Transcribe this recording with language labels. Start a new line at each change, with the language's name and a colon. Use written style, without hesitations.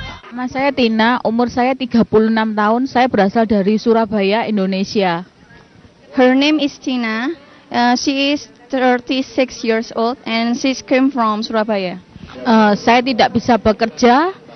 Indonesian: Nama saya Tina, umur saya 36 tahun, saya berasal dari Surabaya, Indonesia.
English: Her name is Tina. She is 36 years old and she came from Surabaya.
Indonesian: Saya tidak bisa bekerja.